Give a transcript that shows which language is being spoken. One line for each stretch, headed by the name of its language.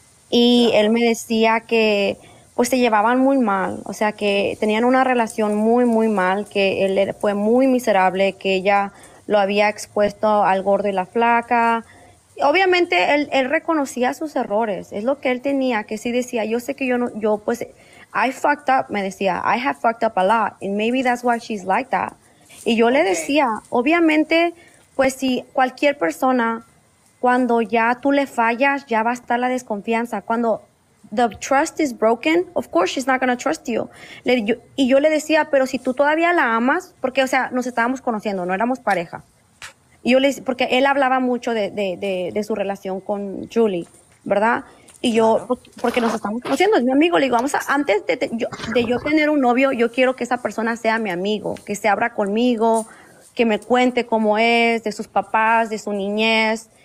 Spanish: Y él me decía que, pues, se llevaban muy mal. O sea, que tenían una relación muy, muy mal, que él fue muy miserable, que ella lo había expuesto al gordo y la flaca. Y obviamente, él reconocía sus errores. Es lo que él tenía, que sí decía, yo sé que yo, pues...
English: I fucked up,
Spanish: me decía,
English: I have fucked up a lot, and maybe that's why she's like that.
Spanish: Y yo le decía, obviamente, pues si cualquier persona, cuando ya tú le fallas, ya va a estar la desconfianza. Cuando
English: the trust is broken, of course she's not going to trust you.
Spanish: Y yo le decía, pero si tú todavía la amas, porque, o sea, nos estábamos conociendo, no éramos pareja. Y yo le decía, porque él hablaba mucho de su relación con Julie, ¿verdad? Y yo, porque nos estamos conociendo, es mi amigo, le digo, antes de yo tener un novio, yo quiero que esa persona sea mi amigo, que se abra conmigo, que me cuente cómo es, de sus papás, de su niñez.